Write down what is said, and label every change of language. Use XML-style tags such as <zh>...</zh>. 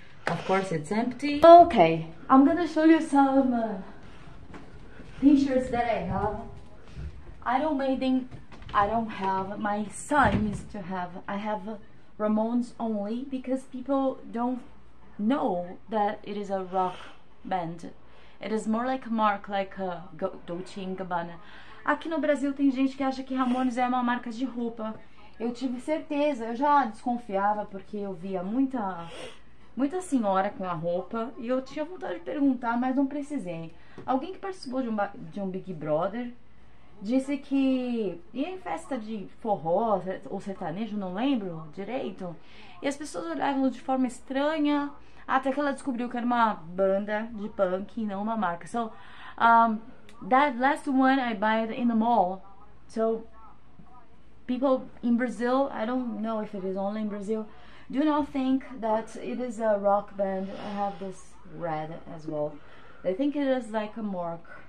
<en>Of course, it's empty. Okay, I'm gonna show you some t-shirts that I have. I don't have. My son needs to have. I have Ramones only because people don't know that it is a rock band. It is more like a mark, like a Dolce & Gabbana.</en> <pt>Aqui no Brasil tem gente que acha que Ramones é uma marca de roupa. Eu tive certeza, eu já desconfiava porque eu via muita senhora com a roupa e eu tinha vontade de perguntar, mas não precisei. Alguém que participou de um Big Brother disse que ia em festa de forró ou sertanejo, não lembro direito, e as pessoas olhavam de forma estranha até que ela descobriu que era uma banda de punk e não uma marca.</pt> <en>So, that last one I bought in the mall. So, people in Brazil, I don't know if it is only in Brazil, do not think that it is a rock band. I have this red as well. They think it is like a mark.</en>